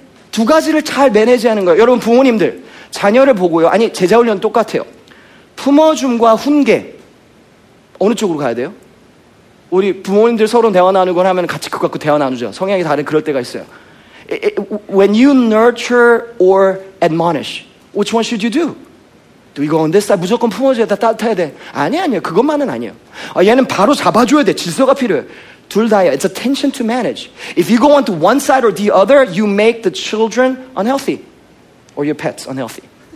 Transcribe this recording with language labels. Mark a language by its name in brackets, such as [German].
[Korean] 두 가지를 잘 매니지 하는 거예요. 여러분, 부모님들. 자녀를 보고요. 아니, 제자훈련 똑같아요. 품어줌과 훈계. 어느 쪽으로 가야 돼요? 우리 부모님들 서로 대화 나누거나 하면 같이 그거 갖고 대화 나누죠. 성향이 다른 그럴 때가 있어요. [English] When you nurture or admonish, which one should you do? Do you go on this side? [Korean] 무조건 품어줘야 돼, 따뜻해야 돼. 아니, 아니요. 그것만은 아니에요. 아, 얘는 바로 잡아줘야 돼. 질서가 필요해. 둘 다요. [English] It's a tension to manage. If you go on to one side or the other, you make the children unhealthy. Or your pets unhealthy.